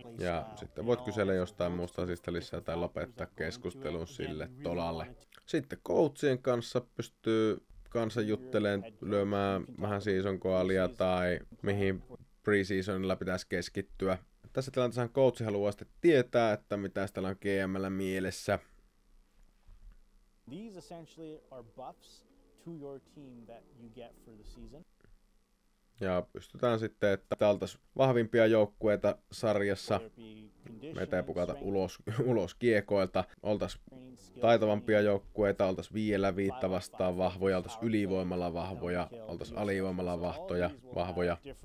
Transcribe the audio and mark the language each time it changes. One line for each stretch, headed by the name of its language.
Finnish: Ja sitten voit kysellä jostain muusta asista lisää tai lopettaa keskustelun sille tolalle. Sitten coachien kanssa pystyy kanssa juttelemaan, lyömään vähän seasonkoalia tai mihin preseasonilla pitäisi keskittyä. Tässä tilanteessa coach haluaa sitten tietää, että mitä täällä on GM:llä mielessä.
English: These essentially are buffs to your team that you get for the season.
Finnish: Ja pystytään sitten, että tältä vahvimpia joukkueita sarjassa, meitä ei pukata ulos kiekoilta, oltaisiin taitavampia joukkueita, oltaisiin vielä viittä vastaan vahvoja, oltaisiin ylivoimalla vahvoja, oltaisiin alivoimalla vahvoja.